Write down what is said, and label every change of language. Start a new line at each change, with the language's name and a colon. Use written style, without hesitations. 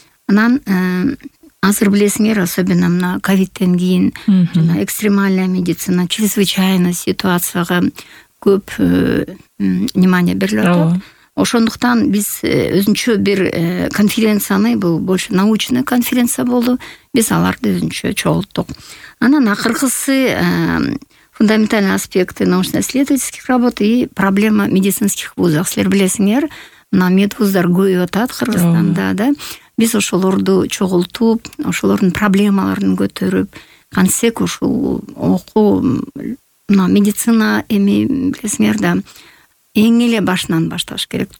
Kyrgyz: Анан азыр билесиңер,
Russian: особенно
Kyrgyz: мына ковидтен кийин жана
Russian: экстремальная медицина,
Kyrgyz: чрезвычайная ситуацияга көп внимание берилип атат. Ошондуктан биз өзүнчө бир конференцияны, бул
Russian: больше научный конференция
Kyrgyz: болду, биз аларды өзүнчө чогулттук. Анан акыркысы
Russian: фундаментальный аспекты научно-исследовательских работ и проблема медицинских вузов.
Kyrgyz: Силер билесиңер, мына медвуздар көбөйүп атат Кыргызстанда да. Биз ошолорду чогултуп, ошолордун проблемаларын көтөрүп, кантсек ушул окуу мына медицина эми билесиңер да, эң эле башынан башташ керек.